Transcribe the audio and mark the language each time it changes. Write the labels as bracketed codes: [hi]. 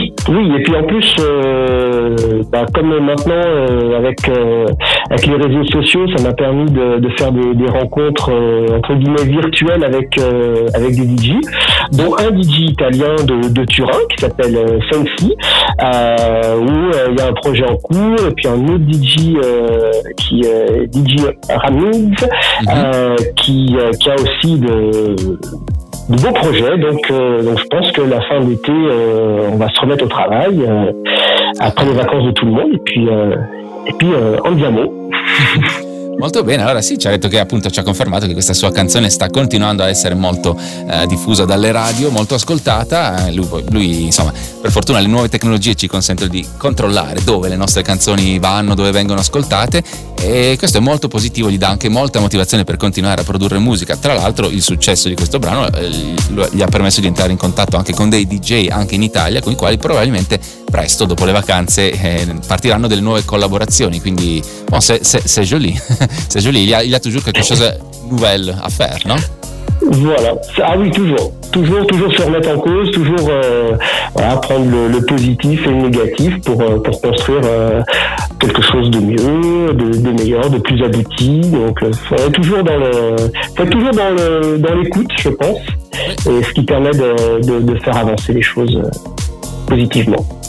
[fr] Oui, et puis en plus, comme maintenant avec les réseaux sociaux, ça m'a permis de faire des rencontres entre guillemets virtuelles avec des DJ, dont un DJ italien de Turin qui s'appelle Sensi, où il y a un projet en cours, et puis un autre DJ DJ Ramiz, qui a aussi de beaux projets, donc je pense que la fin d'été on va se remettre au travail après les vacances de tout le monde et puis andiamo. [it] Molto bene, allora sì, ci ha detto che appunto ci ha confermato che questa sua canzone sta continuando a essere molto diffusa dalle radio, molto ascoltata. Lui insomma, per fortuna le nuove tecnologie ci consentono di controllare dove le nostre canzoni vanno, dove vengono ascoltate, e questo è molto positivo, gli dà anche molta motivazione per continuare a produrre musica. Tra l'altro il successo di questo brano gli ha permesso di entrare in contatto anche con dei DJ anche in Italia, con i quali probabilmente presto, dopo le vacanze, partiranno delle nuove collaborazioni, quindi [fr] bon, c'est joli. C'est joli, il y a toujours quelque chose de nouvel à faire, non? Voilà, ah oui, toujours se remettre en cause, toujours voilà, prendre le positif et le négatif pour construire quelque chose de mieux, de meilleur, de plus abouti, donc faut être toujours dans l'écoute, je pense, et ce qui permet de faire avancer les choses positivement.